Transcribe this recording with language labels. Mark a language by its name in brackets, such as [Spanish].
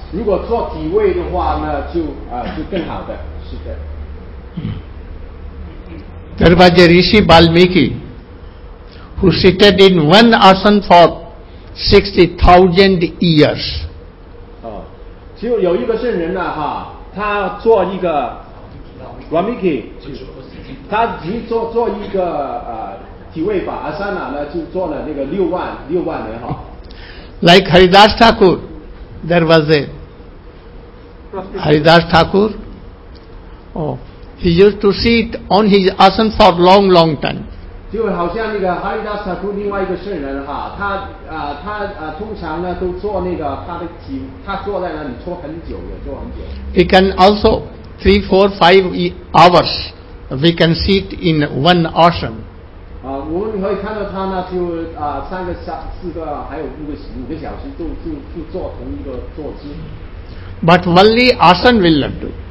[Chinese] 如果做体位的话呢，就更好的，是的。 [English] There was a Rishi Valmiki who sitted in one asana for 60,000 years. [Chinese] 哦，就有一个圣人呢哈，他做一个 Valmiki，他已经做一个体位法 asana 呢，就做了那个六万年哈。 [English] Like Haridas Thakur, there was a Haridas Thakur, he used to sit on his asana for long, long time. [Chinese] 就好像那个 Haridas Thakur 另外一个圣人哈，他通常呢都坐那个他的体，他坐在那里坐很久。 [English] We can also 3, 4, 5 hours, we can sit in one asana. [Chinese] 我们可以看到他呢，就三个小时，还有五个小时，就坐同一个坐姿。 [English] But only asan will not do.